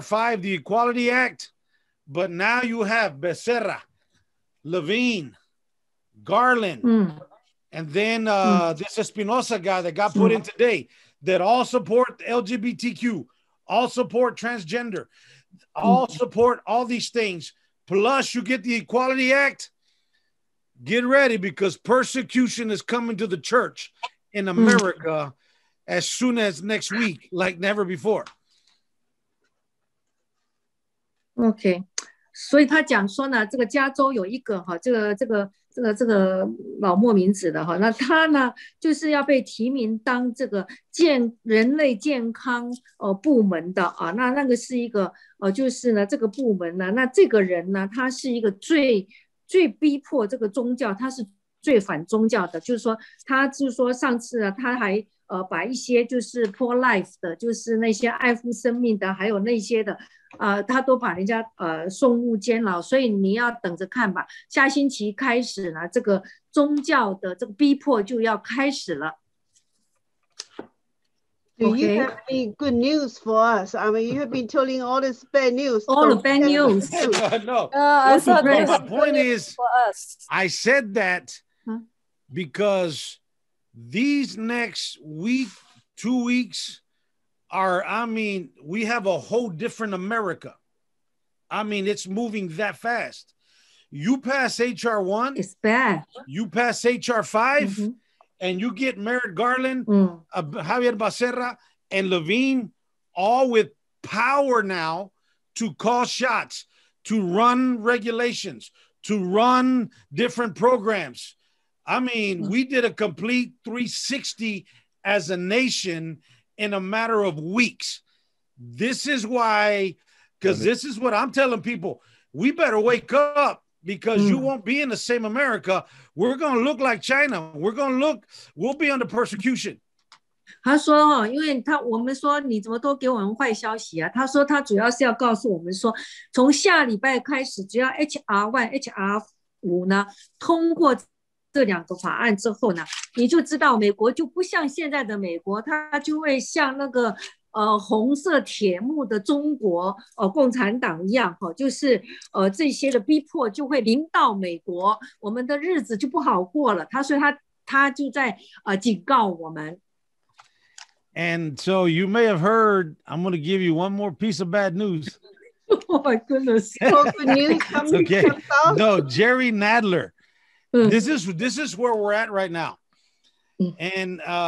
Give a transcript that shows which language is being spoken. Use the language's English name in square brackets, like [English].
[English] 5, the Equality Act, but now you have Becerra, Levine, Garland, and then this Espinosa guy that got put in today, that all support LGBTQ, all support transgender, all support all these things. Plus, you get the Equality Act. Get ready, because persecution is coming to the church in America as soon as next week, like never before. Okay. [Chinese] 所以他讲说呢，这个加州有一个哈，这个老莫名字的哈，那他呢就是要被提名当这个人类健康部门的啊，那个是一个就是呢这个部门呢，那这个人呢他是一个最逼迫这个宗教，他是最反宗教的，就是说他就是说上次呢他还把一些就是 [English] pro life [Chinese] 的，就是那些爱护生命的，还有那些的。他都把人家送入监牢，所以你要等着看吧。下星期开始呢，这个宗教的这个逼迫就要开始了。 [English] Do you have any good news for us? I mean, you have been telling all this bad news. All the bad news. No. My point is, I said that because these next week, 2 weeks, we have a whole different America. I mean, it's moving that fast. You pass H.R. 1. It's bad. You pass H.R. 5, and you get Merrick Garland, Javier Becerra, and Levine, all with power now to call shots, to run regulations, to run different programs. I mean, we did a complete 360 as a nation in a matter of weeks. This is why, because this is what I'm telling people, we better wake up, because you won't be in the same America. We're going to look like China. We'll be under persecution. [Chinese] 他说，因为他我们说你怎么都给我们坏消息啊，他说他主要是要告诉我们说，从下礼拜开始，只要 HR1 HR5 呢通过这两个法案之后呢，你就知道美国就不像现在的美国，它就会像那个红色铁幕的中国共产党一样，就是这些的逼迫就会临到美国，我们的日子就不好过了。他就在警告我们。 [English] And so you may have heard, I'm going to give you one more piece of bad news. Oh my goodness! Okay. No, Jerry Nadler. This is where we're at right now. And